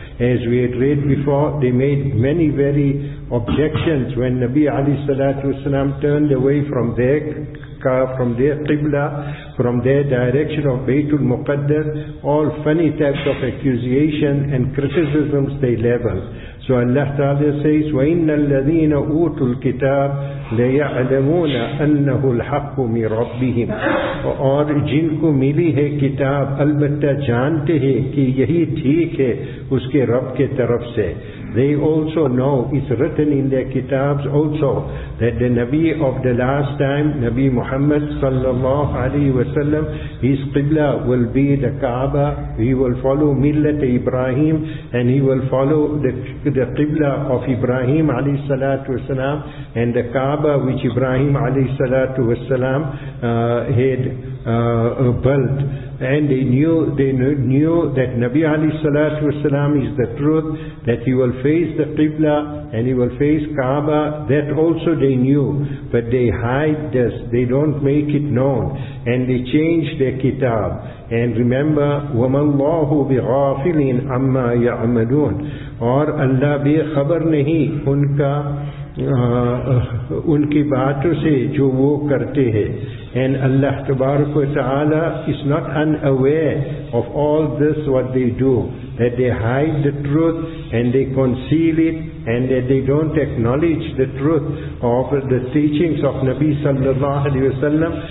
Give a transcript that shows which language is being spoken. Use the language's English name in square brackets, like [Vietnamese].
[English] As we had read before, they made many very objections when Nabi alayhi salatu wasalam turned away from there, from their Qibla, from their direction of Baytul Muqaddas. All funny types of accusation and criticisms they level. So Allah Ta'ala says, [Arabic] وَإِنَّ الَّذِينَ أُوتُوا الْكِتَابِ لَيَعْلَمُونَ أَنَّهُ الْحَقُّ مِنْ رَبِّهِمْ. [Urdu] اور جن کو ملی ہے کتاب, البتہ جانتے ہیں کہ یہی ٹھیک ہے اس کے رب کے طرف سے. [English] They also know, it's written in their kitabs also, that the Nabi of the last time, Nabi Muhammad sallallahu alayhi wa sallam, his Qibla will be the Kaaba. He will follow Millat Ibrahim, and he will follow the Qibla of Ibrahim alayhi salatu wa sallam, and the Kaaba which Ibrahim alayhi salatu wa sallam had built. And they knew that Nabi alayhi salatu wasalam is the truth, that he will face the Qibla and he will face Kaaba. That also they knew, but they hide this, they don't make it known, and they change their kitab. And remember, [Arabic] وَمَا اللَّهُ بِغَافِلٍ عَمَّا يَعْمَلُونَ. [Urdu] Or Allah بِخَبَرْ نَهِي ان کا ان کی باتوں سے جو وہ کرتے ہیں. [English] And Allah Tabaraka wa Ta'ala is not unaware of all this what they do, that they hide the truth and they conceal it, and that they don't acknowledge the truth of the teachings of Nabi sallallahu alayhi wa sallam.